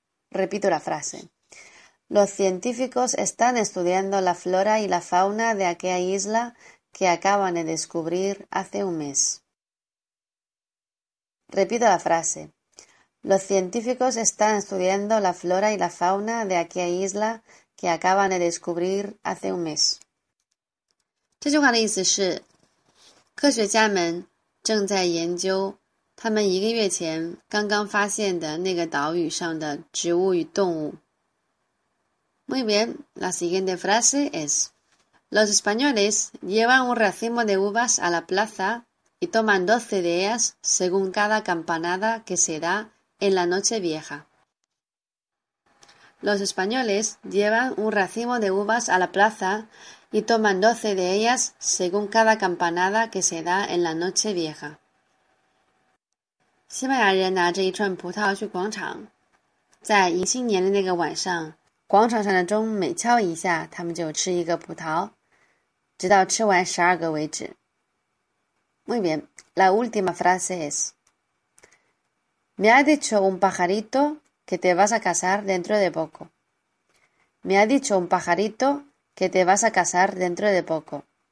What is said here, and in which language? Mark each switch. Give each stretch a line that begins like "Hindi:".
Spanish: Repito la frase. Los científicos están estudiando la flora y la fauna de aquella isla que acaban de descubrir hace un mes. Repito la frase. Los científicos están estudiando la flora y la fauna de aquella isla que acaban de descubrir hace un mes.
Chinese: 这句话的意思是，科学家们正在研究。他们一个月前刚刚发现的那个岛屿上的植物与动物。
Spanish: Muy bien, la siguiente frase es: Los españoles llevan un racimo de uvas a la plaza y toman 12 de ellas según cada campanada que se da en la noche vieja. Los españoles llevan un racimo de uvas a la plaza y toman 12 de ellas según cada campanada que se da en la noche vieja.
Chinese: 西班牙人拿着一串葡萄去广场，在迎新年的那个晚上，广场上的钟每敲一下，他们就吃一个葡萄，直到吃完12个为止。
Spanish: Muy bien, la última frase es: Me ha dicho un pajarito que te vas a casar dentro de poco. Me ha dicho un pajarito que te vas a casar dentro de poco.